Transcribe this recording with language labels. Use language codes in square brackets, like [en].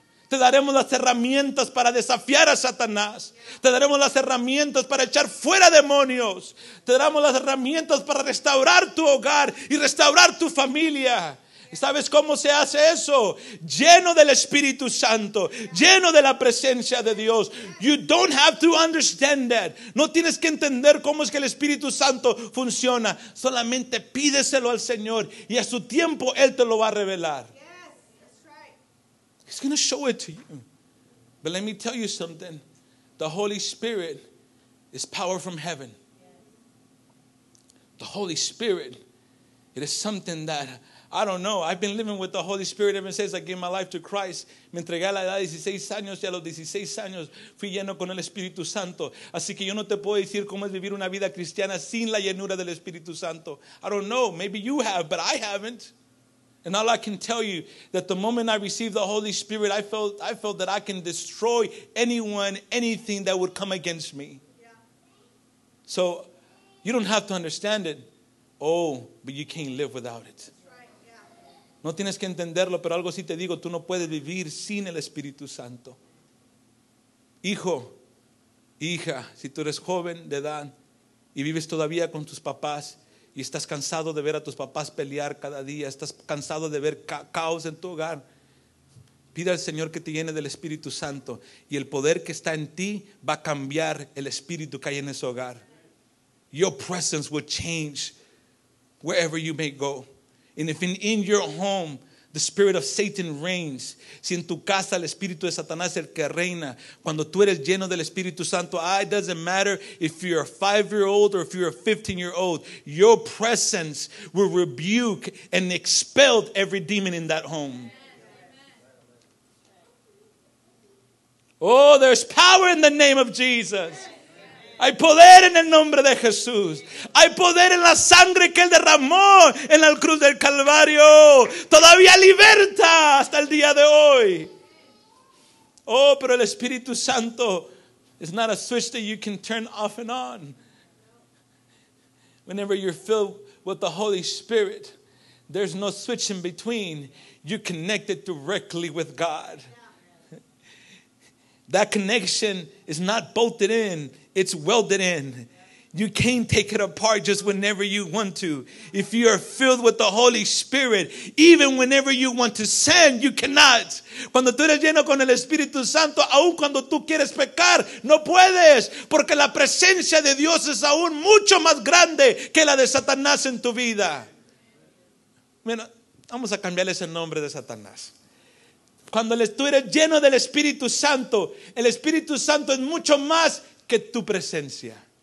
[es] Te daremos las herramientas para desafiar a Satanás. Te daremos las herramientas para echar fuera demonios. Te daremos las herramientas para restaurar tu hogar y restaurar tu familia. ¿Sabes cómo se hace eso? Lleno del Espíritu Santo, lleno de la presencia de Dios. [en] You don't have to understand that. [es] No tienes que entender cómo es que el Espíritu Santo funciona. Solamente pídeselo al Señor y a su tiempo Él te lo va a revelar. [en] He's going to show it to you. But let me tell you something. The Holy Spirit is power from heaven. The Holy Spirit, it is something that I don't know. I've been living with the Holy Spirit ever since I gave my life to Christ. [es] Me entregué a la edad de 16 años y a los 16 años fui lleno con el Espíritu Santo. Así que yo no te puedo decir cómo es vivir una vida cristiana sin la llenura del Espíritu Santo. [en] I don't know. Maybe you have, but I haven't. And all I can tell you, that the moment I received the Holy Spirit, I felt that I can destroy anyone, anything that would come against me. So you don't have to understand it. Oh, but you can't live without it. [es] No tienes que entenderlo, pero algo sí te digo, tú no puedes vivir sin el Espíritu Santo. Hijo, hija, si tú eres joven de edad y vives todavía con tus papás y estás cansado de ver a tus papás pelear cada día, estás cansado de ver caos en tu hogar, pide al Señor que te llene del Espíritu Santo y el poder que está en ti va a cambiar el espíritu que hay en ese hogar. [en] Your presence will change wherever you may go. And if in your home the spirit of Satan reigns, [es] si en tu casa el espíritu de Satanás es el que reina, cuando tú eres lleno del Espíritu Santo, [en] it doesn't matter if you're a 5-year-old or if you're a 15-year-old, your presence will rebuke and expel every demon in that home. Oh, there's power in the name of Jesus. [es] Hay poder en el nombre de Jesús. Hay poder en la sangre que Él derramó en la cruz del Calvario. Todavía liberta hasta el día de hoy. Oh, pero el Espíritu Santo [en] is not a switch that you can turn off and on. Whenever you're filled with the Holy Spirit, there's no switch in between. You're connected directly with God. That connection is not bolted in. It's welded in. You can't take it apart just whenever you want to. If you are filled with the Holy Spirit, even whenever you want to sin, you cannot. [es] Cuando tú eres lleno con el Espíritu Santo, aun cuando tú quieres pecar, no puedes, porque la presencia de Dios es aún mucho más grande que la de Satanás en tu vida. Bueno, vamos a cambiarle ese nombre de Satanás. Cuando tú eres lleno del Espíritu Santo, el Espíritu Santo es mucho más que tu presencia.